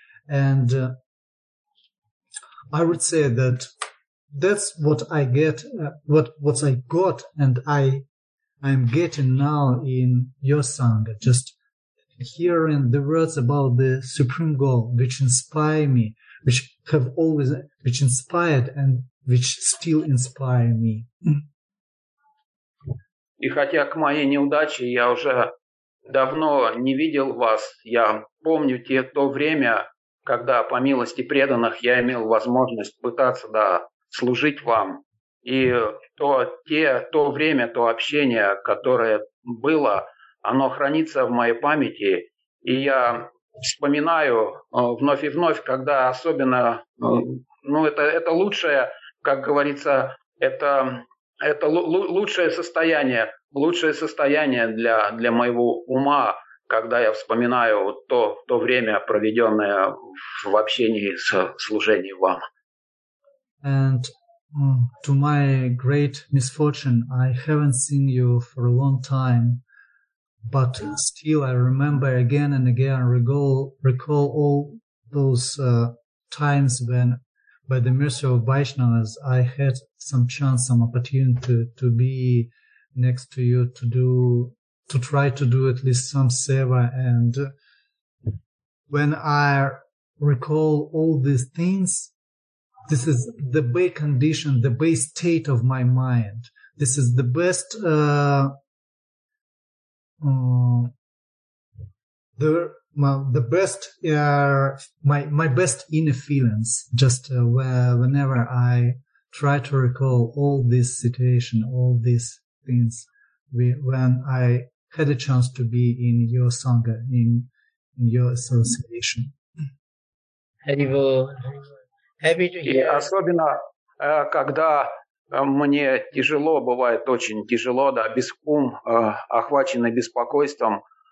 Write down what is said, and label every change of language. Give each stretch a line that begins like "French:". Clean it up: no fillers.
English: And I would say that that's what I get, what I got, and I'm getting now in your sangha, just hearing the words about the supreme goal, which inspire me, which inspired and which still inspire me.
Russian: И хотя к моей неудаче я уже давно не видел вас, я помню то время, когда по милости преданных я имел возможность пытаться, да, служить вам. И то время, то общение, которое было, оно хранится в моей памяти. И я вспоминаю вновь и вновь, когда особенно, ну, это лучшее, как говорится, это лучшее состояние для моего ума, когда я вспоминаю то время, проведенное в общении с служением вам.
English: And to my great misfortune, I haven't seen you for a long time. But still, I remember again and again, recall all those times when, by the mercy of Vaishnavas, I had some chance, some opportunity to be next to you, to try to do at least some seva. And when I recall all these things, this is the base condition, the base state of my mind. This is the best my best inner feelings, just whenever I try to recall all this situation, all these things, when I had a chance to be in your sangha, in your association. Happy to hear.
Russian: И особенно когда мне тяжело, бывает очень тяжело, да, без ум, охваченный беспокойством,